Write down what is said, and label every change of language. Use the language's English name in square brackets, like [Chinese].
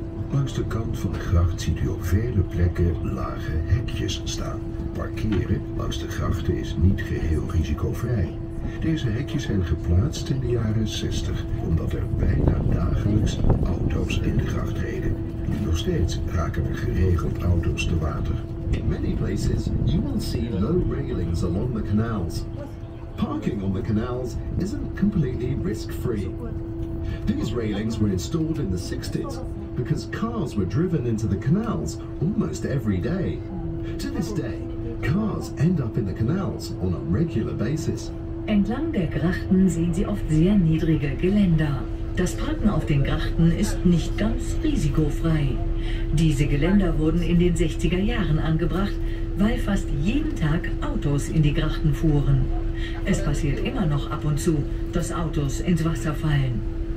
[Dutch] Langs de kant van de gracht ziet u op vele plekken lage hekjes staan. Parkeren langs de grachten is niet geheel risicovrij. Deze hekjes zijn geplaatst in de jaren 60, omdat er bijna dagelijks auto's in de gracht reden. Nog steeds raken er geregeld auto's te water. [English] In many places you will see low railings along the canals. Parking on the canals isn't completely risk-free. These railings were installed in the 60s. Because cars were driven into the canals almost every day. To this day, cars end up in the canals on a regular basis. [German] Entlang der Grachten sehen Sie oft sehr niedrige Geländer. Das Parken auf den Grachten ist nicht ganz risikofrei. Diese Geländer wurden in den 60er Jahren angebracht, weil fast jeden Tag Autos in die Grachten fuhren. Es passiert immer noch ab und zu, dass Autos ins Wasser fallen.